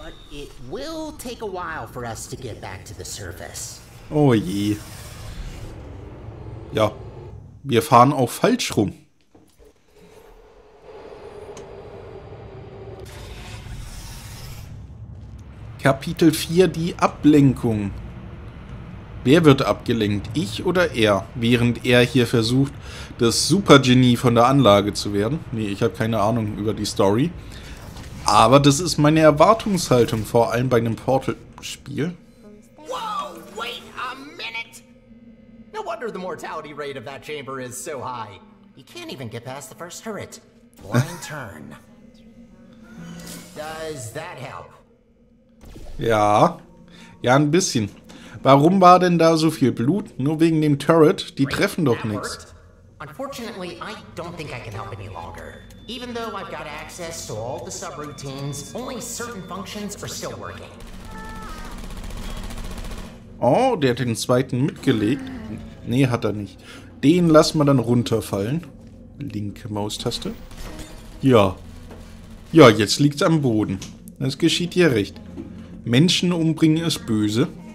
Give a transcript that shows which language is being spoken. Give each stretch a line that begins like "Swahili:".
English: It will take a while for us to get back to the surface.
German: Oh je. Ja, wir fahren auch falsch rum. Kapitel 4, die Ablenkung. Wer wird abgelenkt, ich oder er, während er hier versucht, das Supergenie von der Anlage zu werden? Nee, ich habe keine Ahnung über die Story. Aber das ist meine Erwartungshaltung, vor allem bei einem Portal-Spiel.
English: Wow, wait a minute! No wonder the mortality rate of that chamber is so high. You can't even get past the first turret. Blind turn. Does that help?
German: Ja. Ja, ein bisschen. Warum war denn da so viel Blut? Nur wegen dem Turret? Die treffen doch nichts.
English: Unfortunately, I don't think I can help any longer. Even though I've got access to all the subroutines, only certain functions are still working.
German: Oh, der hat den zweiten mitgelegt. Nee, hat er nicht. Den lassen wir dann runterfallen. Linke Maustaste. Ja. Ja, jetzt liegt's am Boden. Das geschieht hier recht. Menschen umbringen ist böse.